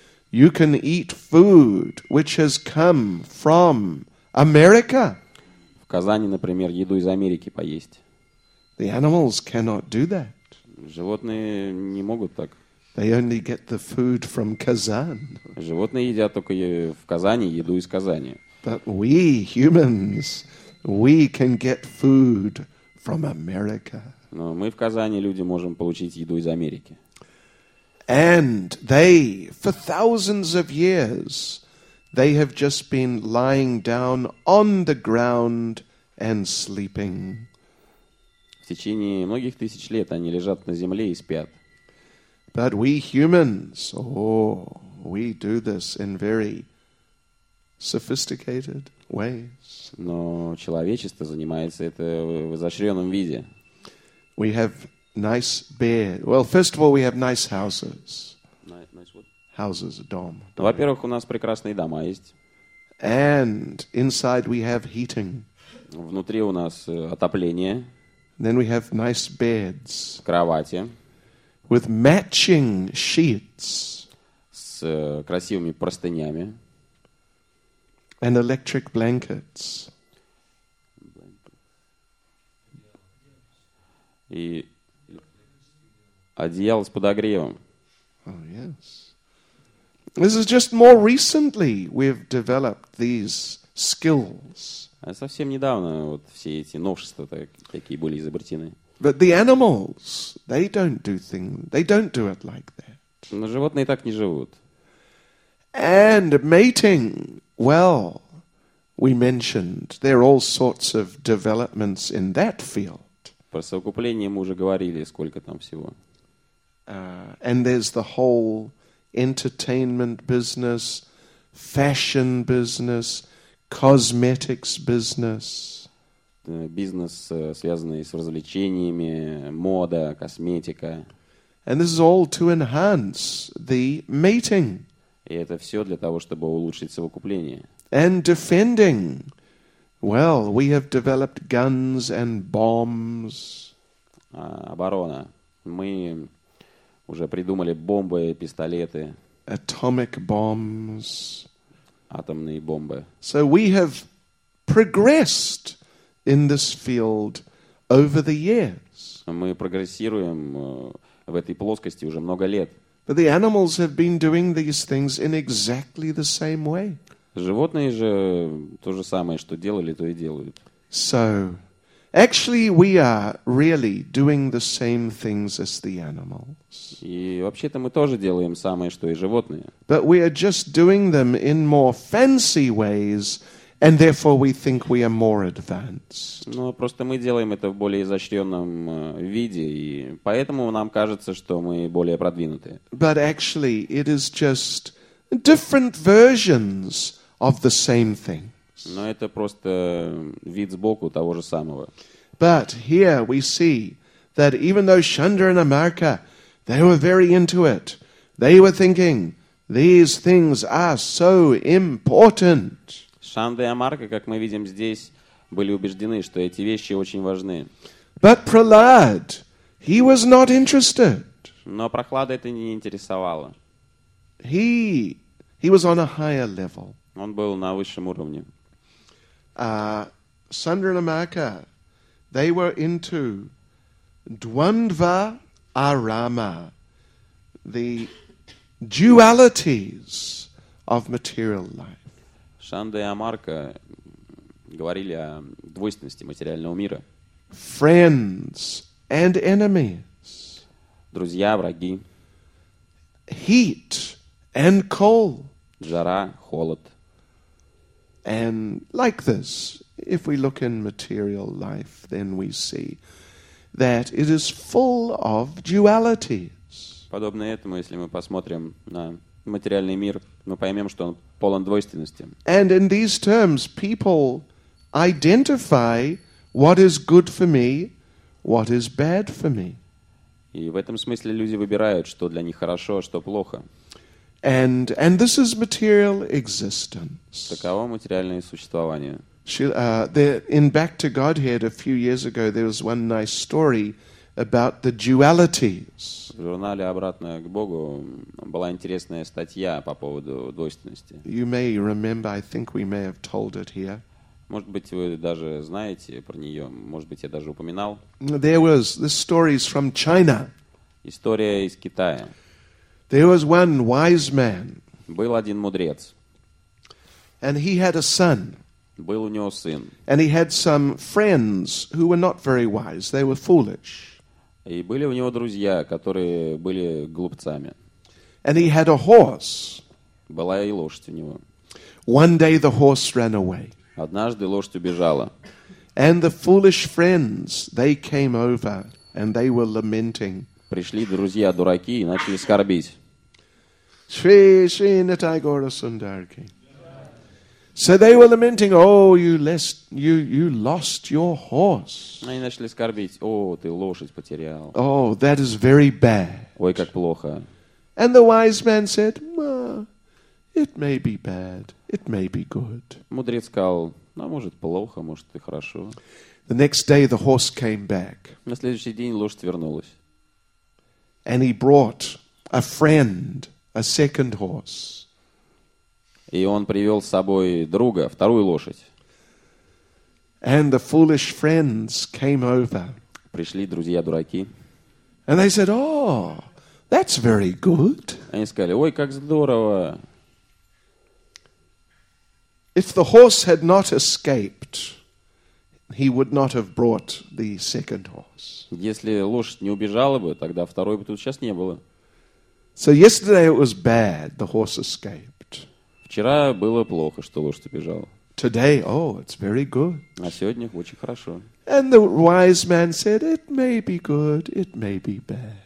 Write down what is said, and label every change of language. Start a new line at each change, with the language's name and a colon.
English: You can eat food which has come from America.
Russian: В Казани, например, еду из Америки поесть.
English: The animals cannot do that.
Russian: Животные не могут так.
English: They only get the food from Kazan.
Russian: Животные едят только в Казани еду из Казани.
English: But we humans, we can get food from America.
Russian: Но мы в Казани люди можем получить еду из Америки.
English: And they, for thousands of years, they have just been lying down on the ground and sleeping.
Russian: В течение многих тысяч лет они лежат на земле и спят.
English: But we humans, oh, we do this in very sophisticated ways.
Russian: Но человечество занимается это в изощренном виде.
English: We have nice beds. Well, first of all, we have nice houses. Nice what? Houses, a dom.
Russian: Во-первых, у нас прекрасные дома есть.
English: And inside we have heating.
Russian: Внутри у нас отопление.
English: Then we have nice beds.
Russian: Кровати.
English: With matching sheets,
Russian: с красивыми простынями,
English: and electric blankets,
Russian: и одеяло с подогревом.
English: Oh yes, this is just more recently we've developed these skills.
Russian: А совсем недавно вот все эти новшества такие были изобретены.
English: But the animals, they don't do things, they don't do it like that.
Russian: Но животные так не живут.
English: And mating, well, we mentioned there are all sorts of developments in that field.
Russian: Про совокупление мы уже говорили, сколько там всего.
English: And there's the whole entertainment business, fashion business, cosmetics business.
Russian: Бизнес, связанный с развлечениями, мода, косметика.
English: And this is all to enhance the mating.
Russian: И это все для того, чтобы улучшить совокупление.
English: And defending. Well, we have developed guns and bombs.
Russian: Оборона. Мы уже придумали бомбы, пистолеты.
English: Atomic bombs.
Russian: Атомные бомбы.
English: So we have progressed in this field over the years.
Russian: Мы прогрессируем в этой плоскости уже много лет.
English: But the animals have been doing these things in exactly the same way.
Russian: Животные же то же самое, что делали, то и делают.
English: So, actually, we are really doing the same things as the animals.
Russian: И вообще-то мы тоже делаем самое, что и животные.
English: But we are just doing them in more fancy ways, and therefore we think we are more advanced.
Russian: Но просто мы делаем это в более изощренном виде, и поэтому нам кажется, что мы более продвинутые.
English: But actually, it is just different versions of the same thing.
Russian: Но это просто вид сбоку того же самого.
English: But here we see that even though Chandra and Amarka, they were very into it, they were thinking, these things are so important.
Russian: Шанда и Амарка, как мы видим здесь, были убеждены, что эти вещи очень важны.
English: But Prahlad, he was not interested.
Russian: Но Прохлада это не интересовало.
English: He was on a higher level.
Russian: Он был на высшем уровне.
English: Chandra and Amarka, they were into Dvandva Arama, the dualities of material life.
Russian: Chandra and Amarka говорили о двойственности материального мира.
English: Friends and enemies.
Russian: Друзья, враги.
English: Heat and cold.
Russian: Жара, холод.
English: And like this, if we look in material life, then we see that it is full of dualities.
Russian: Подобно этому, если мы посмотрим на материальный мир, мы поймем, что он полон двойственности.
English: And in these terms, people identify what is good for me, what is bad for me.
Russian: И в этом смысле люди выбирают, что для них хорошо, а что плохо.
English: And this is material existence.
Russian: Таково материальное существование.
English: In Back to Godhead a few years ago, there was one nice story about the dualities.
Russian: В журнале «Обратно к Богу» была интересная статья по поводу двойственности.
English: You may remember, I think we may have told it here.
Russian: Может быть, вы даже знаете про нее. Может быть, я даже упоминал.
English: There was this story is from China.
Russian: История из Китая.
English: There was one wise man.
Russian: Был один мудрец.
English: And he had a son.
Russian: Был у него сын.
English: And he had some friends who were not very wise. They were foolish.
Russian: И были у него друзья, которые были глупцами.
English: And he had a horse.
Russian: Была и лошадь у него.
English: One day the horse ran away.
Russian: Однажды лошадь убежала.
English: And the foolish friends, they came over and they were lamenting.
Russian: Пришли друзья дураки и начали скорбить. Шри Шри Натай Гора Сундарки.
English: So they were lamenting, oh, you lost your horse.
Russian: Они начали скорбить, о, ты лошадь потерял.
English: Oh, that is very bad.
Russian: Ой, как плохо.
English: And the wise man said, it may be bad, it may be good.
Russian: Мудрец сказал, может плохо, может и хорошо.
English: The next day the horse came back.
Russian: На следующий день лошадь вернулась.
English: And he brought a friend, a second horse.
Russian: И он привел с собой друга, вторую лошадь.
English: And the foolish friends came over.
Russian: Пришли друзья-дураки.
English: And they said, oh, that's very good.
Russian: Они сказали, ой, как здорово.
English: If the horse had not escaped, he would not have brought the second horse.
Russian: Если лошадь не убежала бы, тогда второй бы тут сейчас не было.
English: So yesterday it was bad, the horse escaped.
Russian: Вчера было плохо, что лошадь убежала.
English: Today, oh, it's very good.
Russian: А сегодня очень хорошо.
English: And the wise man said, it may be good, it may be bad.